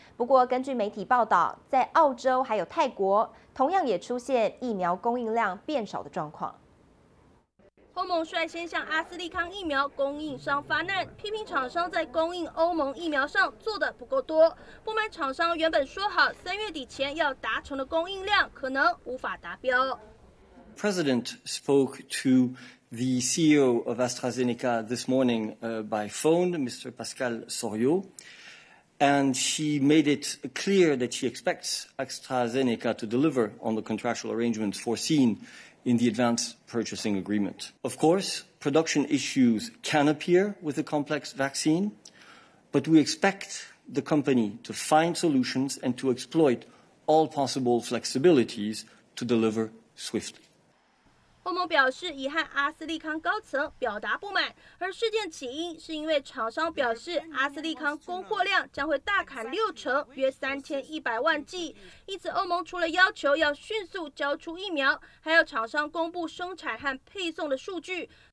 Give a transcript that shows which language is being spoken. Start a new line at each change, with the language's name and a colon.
Chinese: 不过，根据媒体报道，在澳洲还有泰国，同样也出现疫苗供应量变少的状况。欧盟率先向阿斯利康疫苗供应商发难，批评厂商在供应欧盟疫苗上做得不够多，不满厂商原本说好3月底前要达成的供应量可能无法达标。
English: President spoke to the CEO of AstraZeneca this morning by phone, Mr. Pascal Soriot, and she made it clear that she expects AstraZeneca to deliver on the contractual arrangements foreseen. In the advance purchasing agreement. Of course, production issues can appear with a complex vaccine, but we expect the company to find solutions and to exploit all possible flexibilities to deliver swiftly.
Chinese: 欧盟表示已和阿斯利康高层表达不满，而事件起因是因为厂商表示阿斯利康供货量将会大砍60%，约3100万剂。因此，欧盟除了要求要迅速交出疫苗，还要厂商公布生产和配送的数据。